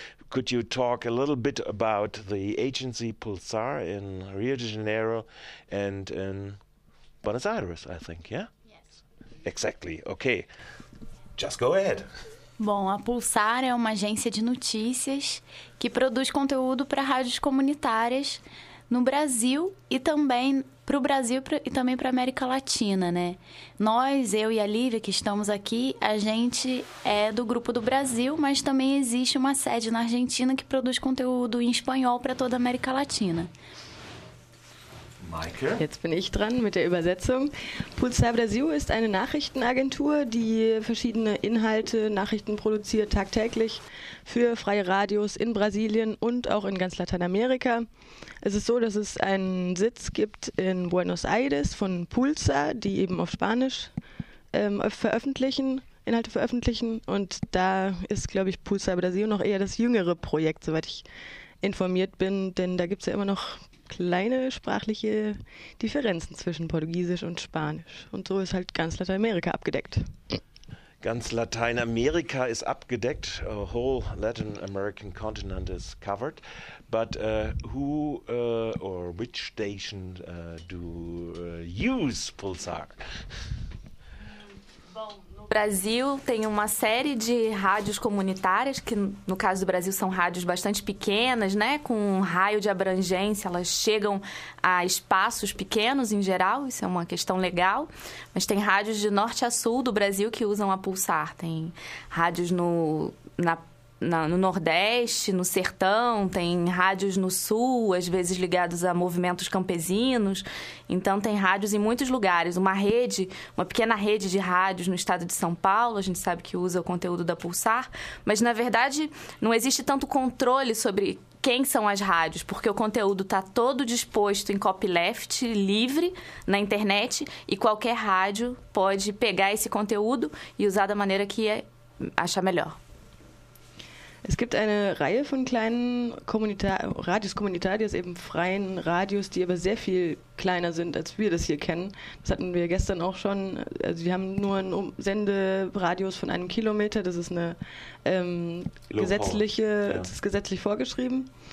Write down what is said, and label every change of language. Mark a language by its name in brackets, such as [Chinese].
[English] Could you talk a little bit about the agency Pulsar in Rio de Janeiro and in Buenos Aires, I think, yeah? Yes. Exactly. Okay. Just go ahead. [Portuguese] Bom, a Pulsar é uma agência de notícias que produz conteúdo para rádios comunitárias no Brasil e também para o Brasil e também para a América Latina, né? Nós, eu e a Lívia, que estamos aqui, a gente é do Grupo do Brasil, mas também existe uma sede na Argentina que produz conteúdo em espanhol para toda a América Latina. [German] Maike? Jetzt bin ich dran mit der Übersetzung. Pulsar Brasil ist eine Nachrichtenagentur, die verschiedene Inhalte, Nachrichten produziert tagtäglich für freie Radios in Brasilien und auch in ganz Lateinamerika. Es ist so, dass es einen Sitz gibt in Buenos Aires von Pulsar, die eben auf Spanisch veröffentlichen, Inhalte veröffentlichen. Und da ist, glaube ich, Pulsar Brasil noch eher das jüngere Projekt, soweit ich informiert bin, denn da gibt es ja immer noch kleine sprachliche Differenzen zwischen Portugiesisch und Spanisch. Und so ist halt ganz Lateinamerika abgedeckt. Ganz Lateinamerika ist abgedeckt. [English] A whole Latin American continent is covered. But who or which station do use Pulsar? [Portuguese] No Brasil tem uma série de rádios comunitárias, que no caso do Brasil são rádios bastante pequenas, né? Com um raio de abrangência, elas chegam a espaços pequenos em geral, isso é uma questão legal. Mas tem rádios de norte a sul do Brasil que usam a Pulsar. Tem rádios no Nordeste, no Sertão, tem rádios no Sul, às vezes ligados a movimentos campesinos. Então, tem rádios em muitos lugares. Uma pequena rede de rádios no estado de São Paulo, a gente sabe que usa o conteúdo da Pulsar. Mas, na verdade, não existe tanto controle sobre quem são as rádios, porque o conteúdo está todo disposto em copyleft livre na internet e qualquer rádio pode pegar esse conteúdo e usar da maneira que achar melhor. [German] Es gibt eine Reihe von kleinen Radios Comunitarias, eben freien Radios, die aber sehr viel kleiner sind, als wir das hier kennen. Das hatten wir gestern auch schon. Also wir haben nur einen Senderadius von 1 Kilometer. Das ist eine gesetzliche, das ist gesetzlich vorgeschrieben.